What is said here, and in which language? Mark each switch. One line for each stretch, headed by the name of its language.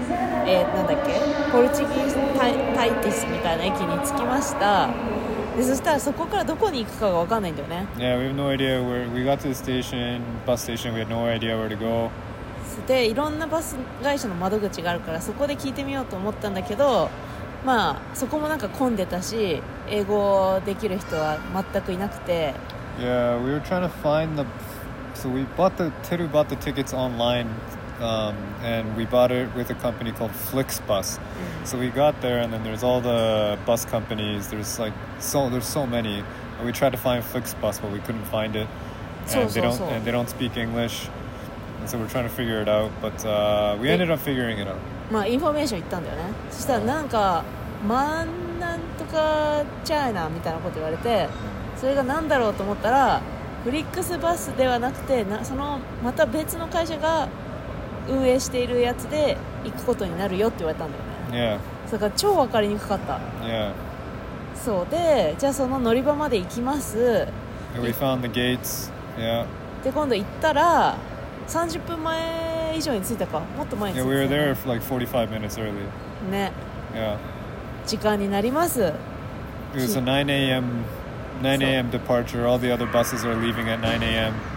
Japanese: なんだっけ、ポルチギーズタイティスみたいな駅に着きました。でそしたらそこからどこに行くかが分かんないんだよね。
English: Yeah, we have no idea where we got to the station, bus station, we had no idea where to go.
Japanese: でいろんなバス会社の窓口があるからそこで聞いてみようと思ったんだけど、まあそこもなんか混んでたし英語できる人は全くいなくて。
English: Yeah, we were trying to find the so we bought the Teru bought the tickets onlineand we bought it with a company called FlixBus.、Mm-hmm. So we got there and then there's all the bus companies. There's so many. And we tried to find FlixBus, but we couldn't find it. And they don't speak English. And so we're trying to figure it out. But、we ended up figuring it out.
Japanese: まあ、インフォメーション行ったんだよね。そしたらなんか、マンなんとかチャイナみたいなこと言われて、それがなんだろうと思ったら、フリックスバスではなくて、そのまた別の会社が運営しているやつで行くことになるよって言われたんだよね。
English: Yeah.
Japanese: だから超分かりにくかった。
English: Yeah.
Japanese: そうで、じゃあその乗り場まで行きます。
English: And、we found the gates. Yeah.
Japanese: で今度行ったら30分前以上に着いたか、もっと前に着いた。
English: Yeah, we were there for like 45 minutes early.
Japanese: ね。
English: Yeah.
Japanese: 時間になります。
English: It was a 9 a.m. departure. All the other buses are leaving at 9 a.m.